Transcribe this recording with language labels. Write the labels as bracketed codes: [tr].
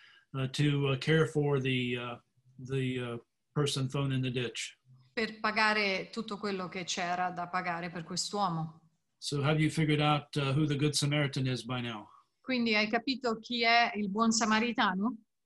[en] To care for the person thrown in the ditch. [it] Per pagare tutto quello che c'era da pagare per quest'uomo. [en] So have you figured out who the good Samaritan is by now? [it] Quindi hai capito chi è il buon samaritano?